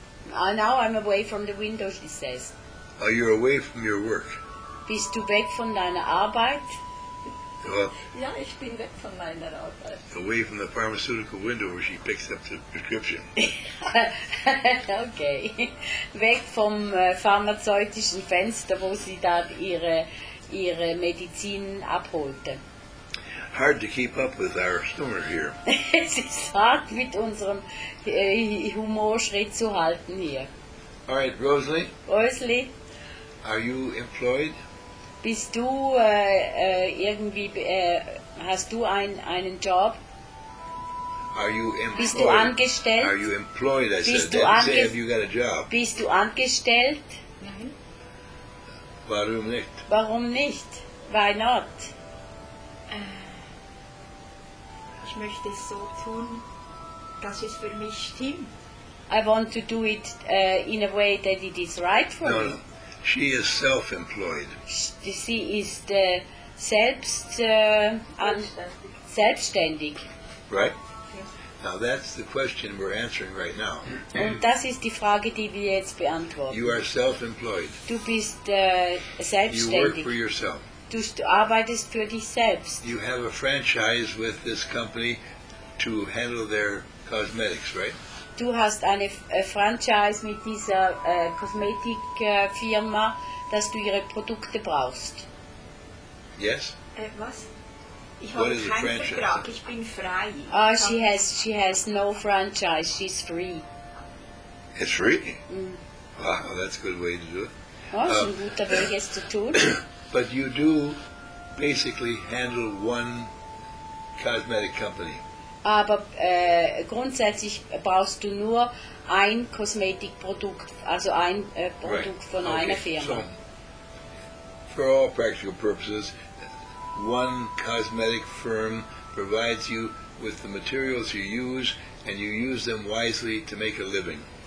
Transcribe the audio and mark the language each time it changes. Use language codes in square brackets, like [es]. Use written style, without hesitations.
[en] Now I'm away from the window, she says. Are you away from your work? [de] Bist du weg von deiner Arbeit? Ja, ich bin weg von meiner Arbeit. [en] Away from the pharmaceutical window where she picks up the prescription. Okay. [de] Weg vom pharmazeutischen Fenster, wo sie da ihre Medizin abholte. [en] Hard to keep up with our humor here. [de] Es ist hart, mit unserem Humor Schritt zu halten hier. [en] All right, Rosalie. Rosalie. Are you employed? [de] Bist du irgendwie, hast du einen Job? [en] Are you employed? [de] Bist du angestellt? [en] Are you employed, I [de] bist Du [en] say, have you got a job? [de] Bist du angestellt? Mm-hmm. Warum nicht? Warum nicht? [en] Why not? [de] Ich möchte es so tun, dass es für mich stimmt. [en] I want to do it in a way that it is right for no, me. No, no. She is self-employed. She is the selbstständig. Right? Yes. Now that's the question we're answering right now. [de] Und das ist die Frage, die wir jetzt beantworten. [en] You are self-employed. [de] Du bist selbstständig. [en] You work for yourself. [de] Du arbeitest für dich selbst. [en] You have a franchise with this company to handle their cosmetics, right? [de] Du hast eine Franchise mit dieser Kosmetikfirma, dass du ihre Produkte brauchst. [en] Yes? [de] Was? Ich habe keinen Vertrag, ich bin frei. [en] Oh, she has no franchise, she's free. It's free? Mm. Wow, that's a good way to do it. [de] Oh, ist ein guter Weg, es zu tun. [en] But you do basically handle one cosmetic company. [de] Aber grundsätzlich brauchst du nur ein Kosmetikprodukt, also ein Produkt [en] right. [de] von [en] okay. [de] einer Firma. [en] So, for all practical purposes, one cosmetic firm provides you with the materials you use and you use them wisely to make a living.